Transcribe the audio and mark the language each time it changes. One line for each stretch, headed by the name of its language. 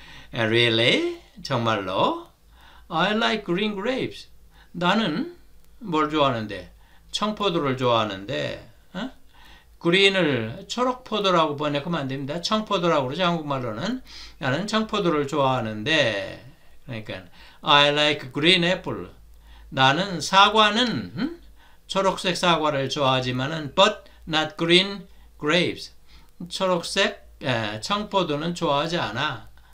English: Really?
Korean: 정말로?
English: I like green grapes.
Korean: 나는 뭘 좋아하는데? 청포도를 좋아하는데. 그린을 초록포도라고 번역하면 안 됩니다. 청포도라고 그러죠. 한국말로는. 나는 청포도를 좋아하는데. 그러니까
English: I like green apple.
Korean: 나는 사과는 초록색 사과를 좋아하지만은
English: but not green grapes.
Korean: 초록색 청포도는 좋아하지 않아.